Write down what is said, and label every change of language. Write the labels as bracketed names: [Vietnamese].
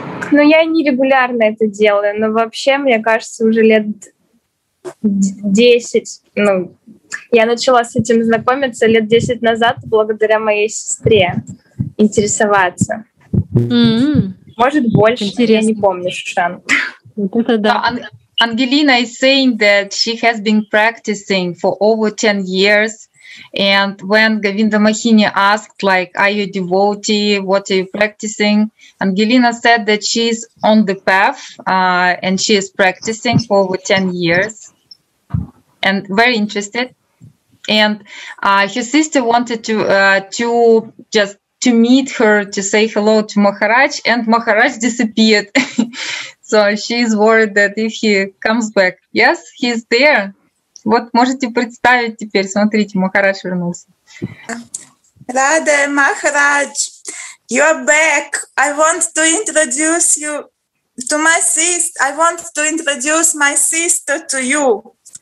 [Russian] Ну, я не регулярно это делаю, но вообще, мне кажется, уже лет 10, ну, я начала с этим знакомиться лет 10 назад благодаря моей сестре интересоваться. Mm-hmm. Может, больше, интересно. Я не помню совершенно. Вот это да. [English] Ангелина is saying that she has been practicing for over 10 years, and when Govinda Mohini asked, like, are you a devotee, what are you practicing, Ангелина said that she is on the path, and she is practicing for over 10 years, and very interested, and her sister wanted to meet her, to say hello to Maharaj, and Maharaj disappeared. So she's worried that if he comes back. Yes, he's there. [Russian] Вот можете представить теперь. Смотрите, Махарадж вернулся. [English] Раде, Махарадж, you're back. I want to introduce you to my sister. I want to introduce my sister to you.